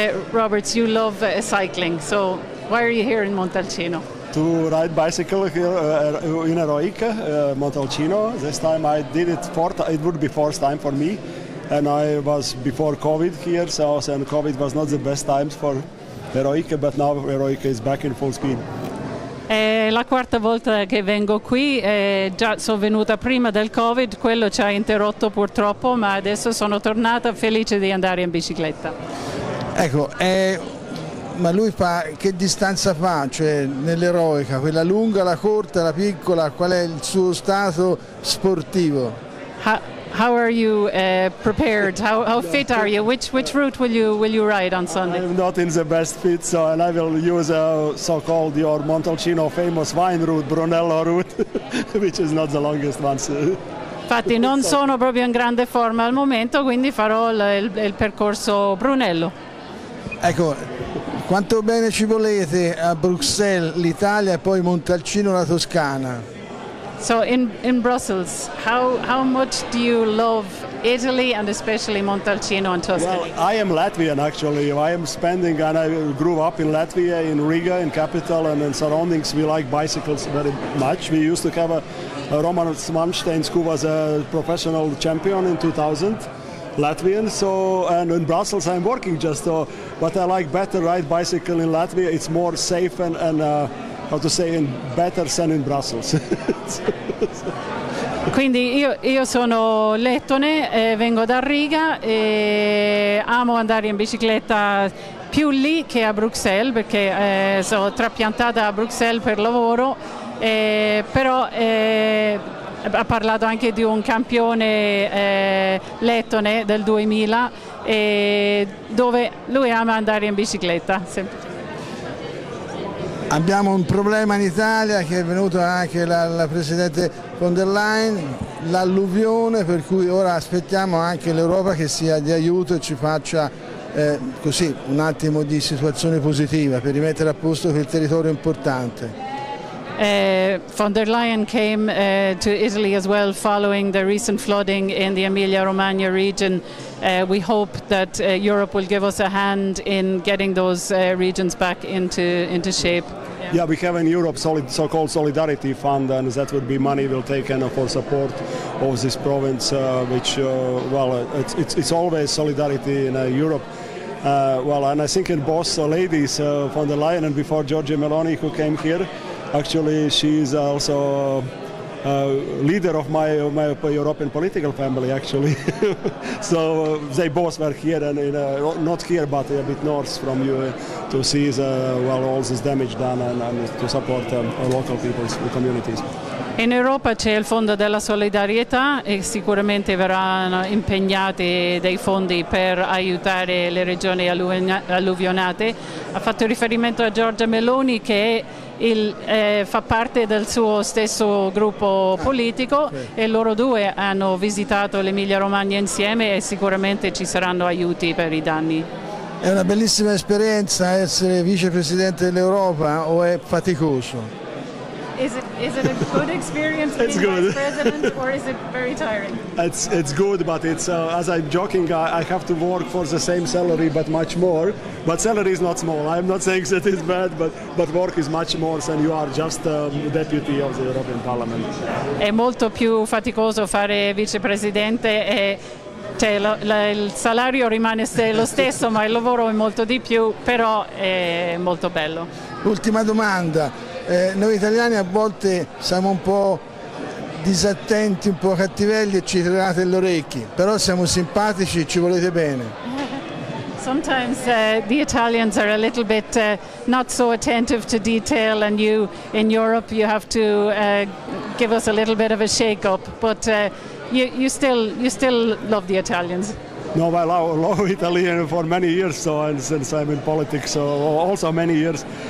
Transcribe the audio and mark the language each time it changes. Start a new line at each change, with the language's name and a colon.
English: Robert, you love cycling, so why are you here in Montalcino? To ride bicycle here in Eroica, Montalcino. This time I did it it would be first time for me. And I was before COVID here, so and COVID was not the best times for Eroica, but now Eroica is back in full speed.
Italian: È la quarta volta che vengo qui, già sono venuta prima del COVID, quello ci ha interrotto purtroppo, ma adesso sono tornata felice di andare in bicicletta. Ecco, ma lui fa, che distanza fa, cioè, nell'Eroica, quella lunga, la corta, la piccola, qual è il suo stato sportivo?
English: How are you prepared? How fit are you? Which route will you ride on Sunday? I'm not in the best fit, so and I will use a so-called your Montalcino famous wine route, Brunello route, which is not the longest one.
Italian: Infatti non sono proprio in grande forma al momento, quindi farò il percorso Brunello. Ecco, quanto bene ci volete a Bruxelles, l'Italia, e poi Montalcino, la Toscana?
English: So in Brussels, how much do you love Italy and especially Montalcino and Tuscany? Well, I am Latvian actually. I am spending and I grew up in Latvia, in Riga, in capital and in surroundings. We like bicycles very much. We used to have a Roman Svanštejns, who was a professional champion in 2000, Latvian. So and in Brussels I'm working just so, but I like better ride bicycle in Latvia. It's more safe how to say, in better than in Brussels.
Italian: Quindi io sono lettone, vengo da Riga e amo andare in bicicletta più lì che a Bruxelles, perché sono trapiantata a Bruxelles per lavoro, però ha parlato anche di un campione lettone del 2000, dove lui ama andare in bicicletta. Abbiamo un problema in Italia, che è venuto anche la Presidente von der Leyen, l'alluvione, per cui ora aspettiamo anche l'Europa che sia di aiuto e ci faccia così un attimo di situazione positiva per rimettere a posto quel territorio importante.
English: Von der Leyen came to Italy as well following the recent flooding in the Emilia-Romagna region. We hope that Europe will give us a hand in getting those regions back into shape. Yeah, we have in Europe so-called solidarity fund, and that would be money we'll take for support of this province, which, well, it's always solidarity in Europe. Well, and I think in both ladies, von der Leyen and before Giorgia Meloni, who came here, actually, she is also a leader of my European political family, actually. So they both were here, and not here, but a bit north from you, to see all this damage done and to support local people's communities.
Italian: In Europa c'è il Fondo della Solidarietà e sicuramente verranno impegnati dei fondi per aiutare le regioni alluvionate. Ha fatto riferimento a Giorgia Meloni, che fa parte del suo stesso gruppo politico, okay. E loro due hanno visitato l'Emilia-Romagna insieme e sicuramente ci saranno aiuti per i danni. È una bellissima esperienza essere vicepresidente dell'Europa, o è faticoso?
English: Is it a good experience being good. Vice president, or is it very tiring? It's good, but it's as I'm joking, I have to work for the same salary but much more. But salary is not small. I'm not saying that it's bad, but work is much more than you are just a deputy of the European Parliament.
Italian: È molto più faticoso fare vicepresidente e cioè il salario rimane lo stesso, ma il lavoro è molto di più, però è molto bello. Ultima domanda. Noi italiani a volte siamo un po' disattenti, un po' cattivelli e ci tirate le orecchie, però siamo simpatici e ci volete bene.
English: Sometimes the Italians are a little bit not so attentive to detail, and you in Europe you have to give us a little bit of a shake up, but you still love the Italians. No, well, I love Italy for many years, so, and since I'm in politics, so also many years.